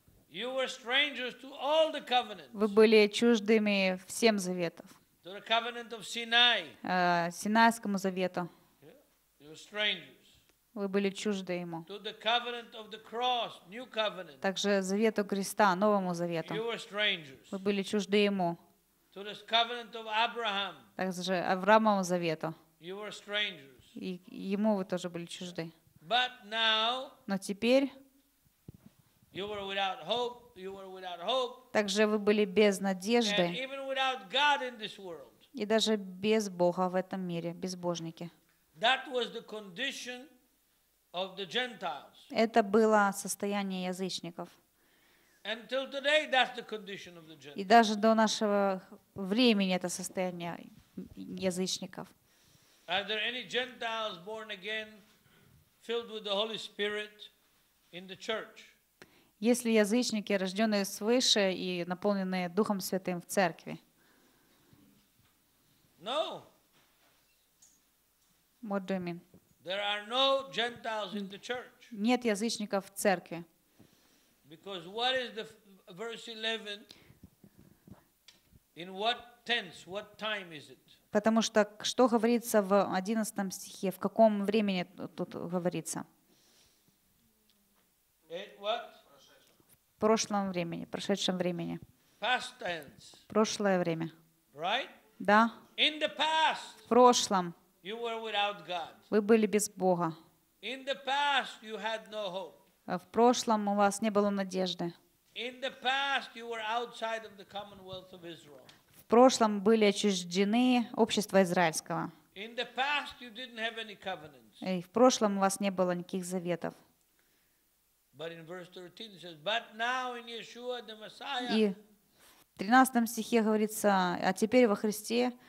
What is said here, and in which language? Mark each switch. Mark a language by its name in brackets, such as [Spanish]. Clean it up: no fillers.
[English] You were strangers to all the covenants. [Russian] Вы были чуждыми всем заветов. [English] To the covenant of Sinai. [Russian] Синайскому завету. [English] Yeah. You were strangers. [Russian] Вы были чужды ему. [English] To the covenant of the cross, new covenant. [Russian] Также завету Креста, новому завету. [English] You were strangers. [Russian] Вы были чужды ему. [English] To the covenant of Abraham. [Russian] Также Авраамову завету. [English] You were strangers. [Russian] И ему вы тоже были чужды. [English] But now, [Russian] но теперь [English] you were without hope, you were without hope. [Russian] Также вы были без надежды. [English] And even without God in this world. [Russian] И даже без Бога в этом мире, безбожники. [English] That was the condition of the Gentiles. [Russian] Это было состояние язычников. [English] Until today, that's the condition of the Gentiles. [Russian] И даже до нашего времени это состояние язычников. [English] Are there any Gentiles born again, filled with the Holy Spirit, in the church? [Russian] Есть ли язычники, рожденные свыше и наполненные Духом Святым в церкви? [English] No. What do you mean? There are no Gentiles in the church. [Russian] Нет язычников в церкви. [English] Because what is the verse 11? In what tense? What time is it? [Russian] Потому что что говорится в 11 стихе? В каком времени тут говорится? [English] It what? [Russian] В прошлом времени, прошедшем времени. [English] Past tense. [Russian] Прошлое время. [English] Right? [Russian] Да. [English] In the past. [Russian] В прошлом. [English] You were without God. [Russian] Вы были без Бога. [English] In the past you had no hope. [Russian] В прошлом у вас не было надежды. [English] In the past you were outside of the commonwealth of Israel. [Russian] В прошлом были отчуждены общества израильского. [English] In the past you didn't have any covenants. [Russian] И в прошлом у вас не было никаких заветов. [English] But in verse 13 it says, but now in Yeshua the Messiah. [Russian] И в 13 стихе говорится, а теперь во Христе.